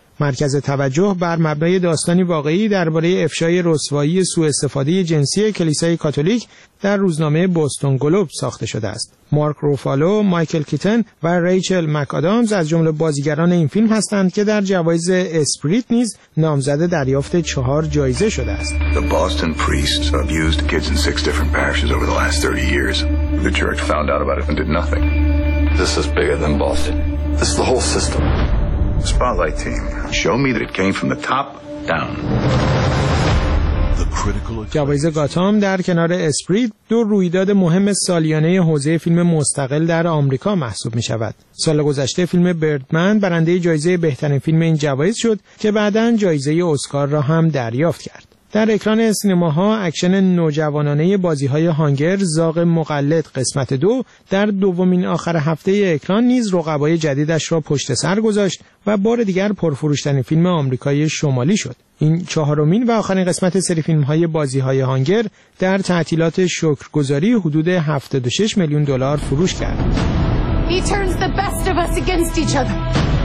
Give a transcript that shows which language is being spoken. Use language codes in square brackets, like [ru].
[fa] مرکز توجه بر مبنای داستانی واقعی درباره افشای رسوایی سوء استفاده جنسی کلیسای کاتولیک در روزنامه بوستون گلوب ساخته شده است. مارک روفالو، مایکل کیتن و ریچل مک‌آدامز از جمله بازیگران این فیلم هستند که در جوایز اسپریت نیز نامزد دریافت 4 جایزه شده است. [en] The Boston priests abused kids in 6 different parishes over the last 30 years. The church found out about it and did nothing. This is bigger than Boston. This is the whole system. Spotlight team, show me that it came from the top down. [fa] جوایز گاتام در کنار اسپریت دو رویداد مهم سالیانه حوزه فیلم مستقل در آمریکا محسوب می‌شود. سال گذشته فیلم بردمن برنده جایزه بهترین فیلم این جوایز شد که بعداً جایزه اسکار را هم دریافت کرد. در اکران سینماها اکشن نوجوانانه بازی‌های هانگر زاغ مقلد قسمت 2 در دومین آخر هفته اکران نیز رقبای جدیدش را پشت سر گذاشت و بار دیگر پرفروش‌ترین فیلم آمریکای شمالی شد. این چهارمین و آخرین قسمت سری فیلم‌های بازی‌های هانگر در تعطیلات شکرگزاری حدود 76 میلیون دلار فروش کرد. [en] He turns the best of us against each other.